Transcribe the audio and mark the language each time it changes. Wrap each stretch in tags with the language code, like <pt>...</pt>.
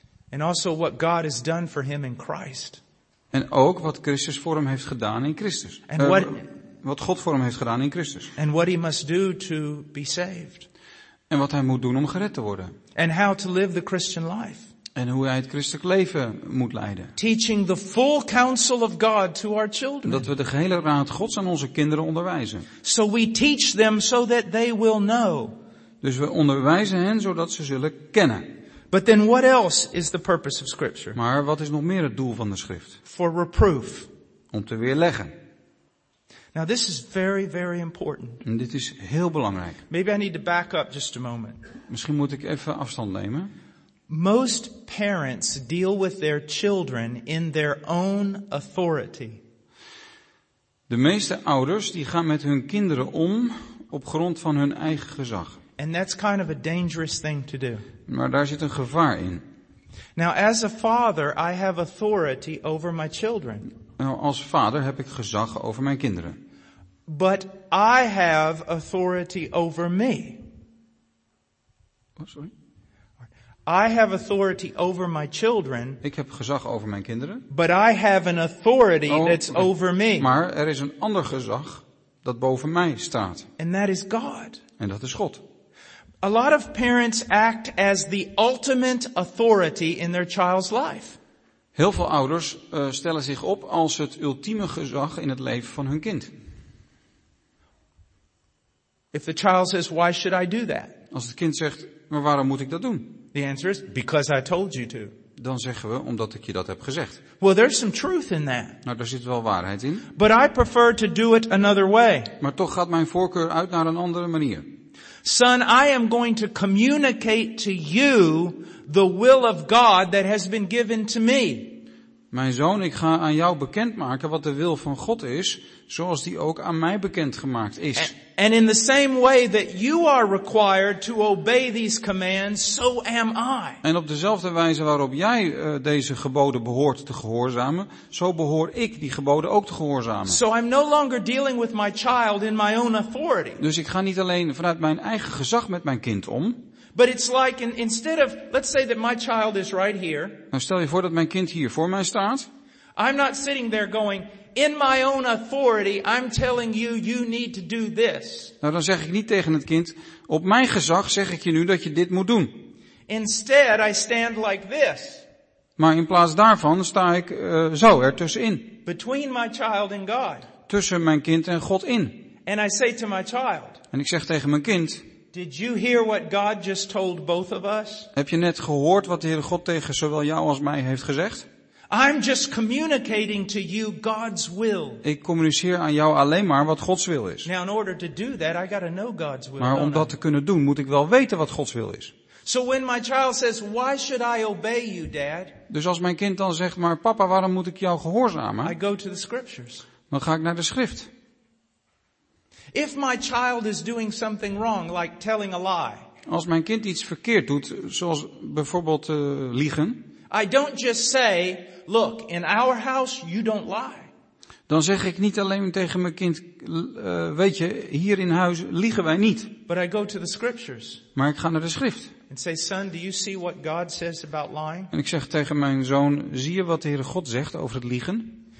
<en>And also what God has done for him in Christ.</en> <nl>En ook wat Christus voor hem heeft gedaan in Christus. Wat God voor hem heeft gedaan in Christus.</nl> <en>And what he must do to be saved.</en> <nl>En wat hij moet doen om gered te worden.</nl> <en>And how to live the Christian life.</en> <nl>En hoe hij het christelijk leven moet leiden.</nl> <en>Teaching the full counsel of God to our children.</en> <nl>Dat we de gehele raad Gods aan onze kinderen onderwijzen.</nl> <en>So we teach them so that they will know.</en> <nl>Dus we onderwijzen hen zodat ze zullen kennen.</nl> <en>But then what else is the purpose of scripture?</en> <nl>Maar wat is nog meer het doel van de schrift?</nl> <en>For reproof.</en> <nl>Om te weerleggen.</nl> <en>Now this is very, very important.</en> <nl>En dit is heel belangrijk.</nl> <en>Maybe I need to back up just a moment.</en> <nl>Misschien moet ik even afstand nemen.</nl> <en>Most parents deal with their children in their own authority.</en> <nl>De meeste ouders die gaan met hun kinderen om op grond van hun eigen gezag.</nl> <en>And that's kind of a dangerous thing to do.</en> <nl>Maar daar zit een gevaar in.</nl> <en>Now, as a father, I have authority over my children.</en> <nl>Nou, als vader heb ik gezag over mijn kinderen.</nl> <en>But I have authority over me. Oh, sorry. I have authority over my children.</en> <nl>Ik heb gezag over mijn kinderen.</nl> <en>But I have an authority that's over me.</en> <nl>Maar er is een ander gezag dat boven mij staat.</nl> <en>And that is God.</en> <nl>En dat is God.</nl> <en>A lot of parents act as the ultimate authority in their child's life.</en> <nl>Heel veel ouders stellen zich op als het ultieme gezag in het leven van hun kind.</nl> <en>If the child says, "Why should I do that?"</en> <nl>Als het kind zegt, maar waarom moet ik dat doen?</nl> <en>The answer is, because I told you to.</en> <nl>Dan zeggen we, omdat ik je dat heb gezegd.</nl> <en>Well, there's some truth in that.</en> <nl>Nou, daar zit wel waarheid in.</nl> <en>But I prefer to do it another way.</en> <nl>Maar toch gaat mijn voorkeur uit naar een andere manier.</nl> <en>Son, I am going to communicate to you the will of God that has been given to me.</en> <nl>Mijn zoon, ik ga aan jou bekendmaken wat de wil van God is, zoals die ook aan mij bekendgemaakt is.</nl> <en>And in the same way that you are required to obey these commands, so am I.</en> <nl>En op dezelfde wijze waarop jij deze geboden behoort te gehoorzamen, zo behoor ik die geboden ook te gehoorzamen.</nl> <en>So I'm no longer dealing with my child in my own authority.</en> <nl>Dus ik ga niet alleen vanuit mijn eigen gezag met mijn kind om.</nl> <en>But it's like instead of, let's say that my child is right here.</en> <nl>Nou, stel je voor dat mijn kind hier voor mij staat.</nl> <en>I'm not sitting there going, in my own authority, I'm telling you, you need to do this.</en> <nl>Nou, dan zeg ik niet tegen het kind, op mijn gezag zeg ik je nu dat je dit moet doen.</nl> <en>Instead, I stand like this.</en> <nl>Maar in plaats daarvan sta ik zo ertussenin.</nl> <en>Between my child and God.</en> <nl>Tussen mijn kind en God in.</nl> <en>And I say to my child.</en> <nl>En ik zeg tegen mijn kind.</nl> <en>Did you hear what God just told both of us?</en> <nl>Heb je net gehoord wat de Heere God tegen zowel jou als mij heeft gezegd?</nl> <en>I'm just communicating to you God's will.</en> <nl>Ik communiceer aan jou alleen maar wat Gods wil is.</nl> <en>Now in order to do that, I gotta know God's will.</en> <nl>Maar om dat te kunnen doen, moet ik wel weten wat Gods wil is.</nl> <en>So when my child says, why should I obey you, Dad?</en> <nl>Dus als mijn kind dan zegt, maar papa, waarom moet ik jou gehoorzamen?</nl> <en>I go to the scriptures.</en> <nl>Dan ga ik naar de schrift.</nl> <en>If my child is doing something wrong, like telling a lie.</en> <nl>Als mijn kind iets verkeerd doet, zoals bijvoorbeeld liegen.</nl> <en>I don't just say, look, in our house you don't lie.</en> <nl>Dan zeg ik niet alleen tegen mijn kind, weet je, hier in huis liegen wij niet.</nl> <en>But I go to the scriptures.</en> <nl>Maar ik ga naar de schrift.</nl> <en>And say, son, do you see what God says about lying?</en> <nl>En ik zeg tegen mijn zoon, zie je wat de Heere God zegt over het liegen?</nl>